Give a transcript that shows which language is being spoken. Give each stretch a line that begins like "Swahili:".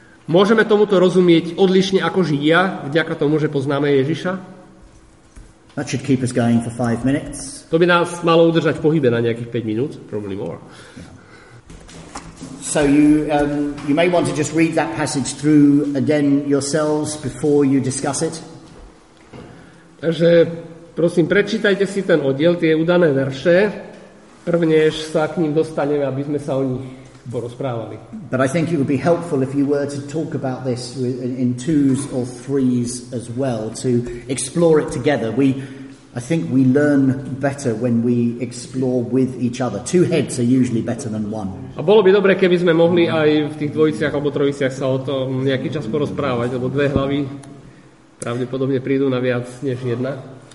Slovak: Môžeme tomuto rozumieť odlišne ako Židia, vďaka tomu, že poznáme Ježiša?
English: That should keep us going for 5 minutes.
Slovak: To by nás malo udržať v pohybe na nejakých 5 minút,
English: probably more. So you may want to just read that passage through again yourselves before you discuss it.
Slovak: Takže prosím, prečítajte si ten oddiel, tie udané verše, prvnež sa k ním dostaneme, aby sme sa o nich porozprávali.
English: But I think it would be helpful if you were to talk about this in twos or threes as well, to explore it together. I think we learn better when we explore with each other. Two heads are usually better than one.
Slovak: A bolo by dobre, keby sme mohli aj v tých dvojiciach alebo trojiciach sa o tom nejaký čas porozprávať, lebo dve hlavy pravdepodobne prídu na viac než jedna.